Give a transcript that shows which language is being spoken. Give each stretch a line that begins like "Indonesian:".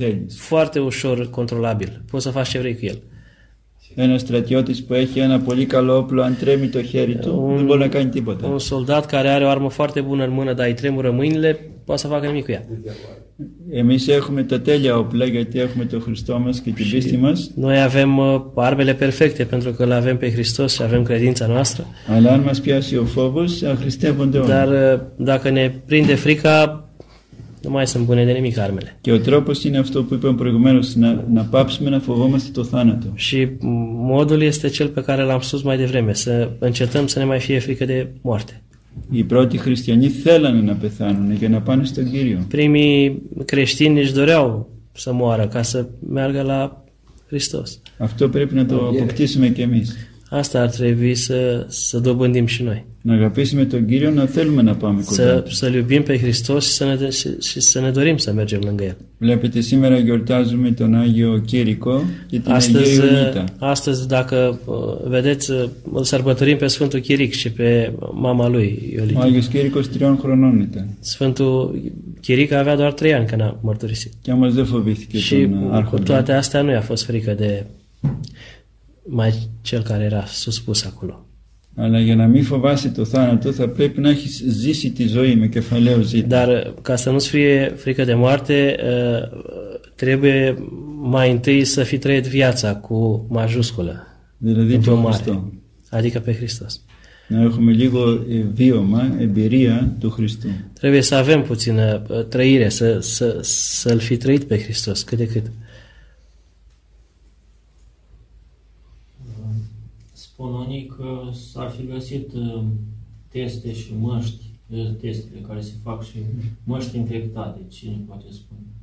Romanian: foarte ușor controlabil, poți să faci ce vrei cu el.
Greek: Ένας στρατιώτης που έχει ένα πολύ καλό όπλο, αν τρέμει το χέρι του, δεν μπορεί να κάνει τίποτα.
Romanian: Un soldat care are o armă foarte bună în mână, dar îi tremură mâinile, poate să facă nimic cu ea.
Greek: Εμείς έχουμε τα τέλεια όπλα, γιατί έχουμε τον Χριστό μας και την πίστη μας.
Romanian: Noi avem armele perfecte, pentru că l-avem pe Hristos și avem credința noastră.
Greek: Αλλά αν μας πιάσει ο φόβος, αχριστεύονται όλοι.
Romanian: Dar dacă ne prinde frica, nu mai sunt bune de nimic armele.
Greek: Και ο τρόπος είναι αυτό που είπαμε προηγουμένως, να πάψουμε να φοβόμαστε το θάνατο.
Romanian: Și modul este cel pe care l-am spus mai devreme, să încetăm să ne mai fie frică de moarte.
Greek: Οι πρώτοι χριστιανοί θέλανε να πεθάνουν για να πάνε στον Κύριο.
Romanian: Primii creștini își doreau să moară ca să meargă la Hristos.
Greek: Αυτό πρέπει να το αποκτήσουμε και εμείς.
Romanian: Asta ar trebui să dobândim și noi.
Greek: Να αγαπήσουμε τον Κύριο, να θέλουμε να πάμε κοντά.
Romanian: Să-L iubim pe Hristos și să ne dorim să mergem lângă El.
Greek: Βλέπετε, σήμερα γιορτάζουμε τον Άγιο Κύρικο και την Αγία Ιωνίτα.
Romanian: Astăzi, dacă vedeți, îl sărbătorim pe Sfântul Chiric și pe mama lui Ιωνίτα.
Greek: Ο Άγιος Κύρικος 3 χρονών ήταν.
Romanian: Sfântul Chiric avea doar 3 ani când a mărturisit.
Greek: Και όμως δεν φοβήθηκε τον Άρχοντα.
Romanian: Și cu toate astea nu i-a fost frică de mai cel care era suspus acolo.
Greek: Αλλά για να μην φοβάσει το θάνατο, θα πρέπει να έχει ζήσει τη ζωή με κεφαλαίο ζήτημα.
Romanian: Dar ca să nu-ți fie frică de moarte, trebuie mai întâi să fi trăit viața cu majusculă.
Greek: Δηλαδή το Χριστό.
Romanian: Adică pe Hristos.
Greek: Να έχουμε λίγο βίωμα, εμπειρία του Χριστού.
Romanian: Trebuie să avem puțină trăire, să-L fi trăit pe Hristos, cât de cât. Spun unii că s-ar fi găsit teste și măști, testele care se fac și măști infectate, cine poate spune?